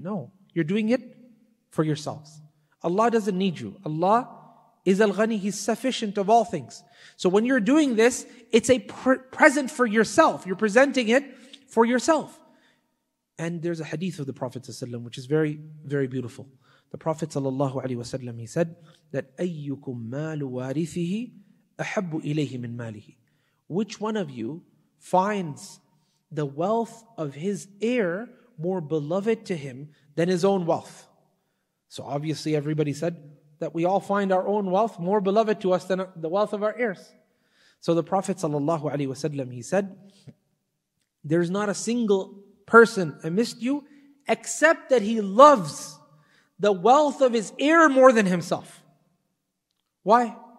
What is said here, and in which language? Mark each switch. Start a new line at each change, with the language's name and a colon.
English: No, you're doing it for yourselves. Allah doesn't need you. Allah is al-ghani, He's sufficient of all things. So when you're doing this, it's a present for yourself. You're presenting it for yourself. And there's a hadith of the Prophet ﷺ, which is very, very beautiful. The Prophet ﷺ, he said that
Arabic: أَيُّكُمْ مَالُ وَارِثِهِ أَحَبُّ إِلَيْهِ مِنْ مَالِهِ.
English: Which one of you finds the wealth of his heir more beloved to him than his own wealth? So obviously everybody said that we all find our own wealth more beloved to us than the wealth of our heirs. So the Prophet sallallahu alaihi wasallam, he said, there's not a single person amidst you except that he loves the wealth of his heir more than himself. Why?